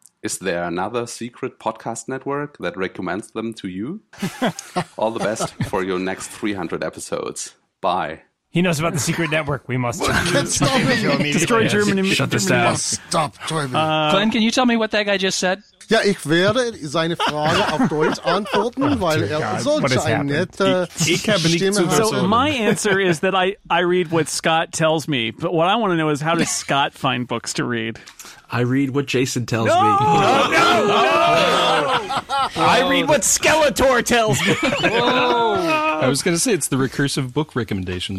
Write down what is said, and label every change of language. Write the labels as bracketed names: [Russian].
[English] Is there another secret podcast network that recommends them to you? All the best for your next 300 episodes. Bye. He knows about the secret network. We must destroy Germany. Shut this down. Stop, Glenn, can you tell me what that guy just said? [German] Ja, ich werde seine Frage auf Deutsch antworten, weil so eine nette Stimme hat. [English] So my answer is that I read what Scott tells me, but what I want to know is how does Scott find books to read? I read what Jason tells me. No! I read what Skeletor tells me. I was going to say it's the recursive book recommendations.